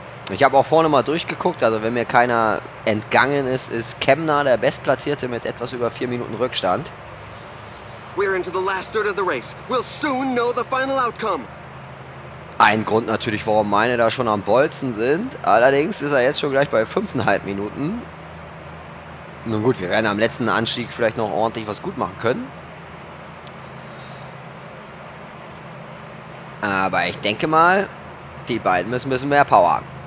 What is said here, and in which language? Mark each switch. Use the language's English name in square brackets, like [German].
[German] Ich habe auch vorne mal durchgeguckt, also wenn mir keiner entgangen ist, ist Kemna der Bestplatzierte mit etwas über 4 Minuten Rückstand. [English] We're into the last third of the race. We'll soon know the final outcome. [German] Ein Grund natürlich, warum meine da schon am Bolzen sind. Allerdings ist er jetzt schon gleich bei 5,5 Minuten. Nun gut, wir werden am letzten Anstieg vielleicht noch ordentlich was gut machen können. Aber ich denke mal, die beiden müssen ein bisschen mehr Power.